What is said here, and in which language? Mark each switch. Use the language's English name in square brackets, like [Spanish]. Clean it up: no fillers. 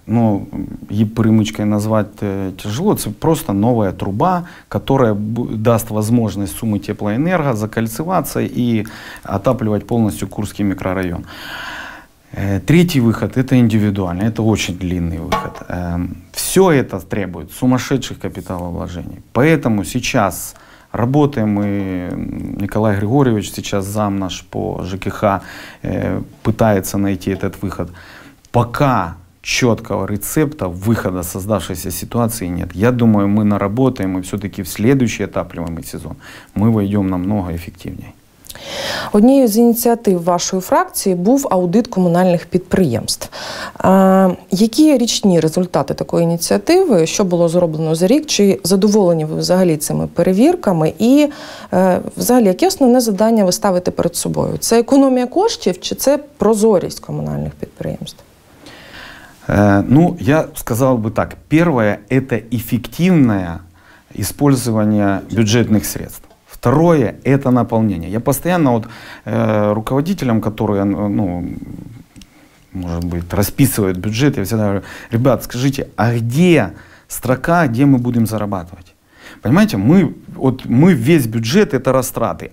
[Ukrainian] Ну, її перемичкою назвати тяжело, це просто нова труба, яка дасть можливість суми теплоенерго закольцюватися і отаплювати повністю Курський мікрорайон. Третій вихід – це індивідуально, це дуже длинний вихід. Все це требує сумасшедших капіталовложень. [Russian] Поэтому зараз работаем, и Николай Григорьевич, сейчас зам наш по ЖКХ, пытается найти этот выход. Пока четкого рецепта выхода создавшейся ситуации нет. Я думаю, мы наработаем, и все-таки в следующий отапливаемый сезон мы войдем намного эффективнее. [Ukrainian] Однією з ініціатив вашої фракції був аудит комунальних підприємств. Які річні результати такої ініціативи? Що було зроблено за рік? Чи задоволені ви взагалі цими перевірками? І взагалі, яке основне завдання ви ставите перед собою? Це економія коштів чи це прозорість комунальних підприємств? Ну, я сказав би так. Перше – це ефективне використання бюджетних средств. [Russian] Второе – это наполнение. Я постоянно вот руководителям, которые, ну, может быть, расписывают бюджет, я всегда говорю, ребят, скажите, а где строка, где мы будем зарабатывать? Понимаете, мы, вот мы весь бюджет это растраты.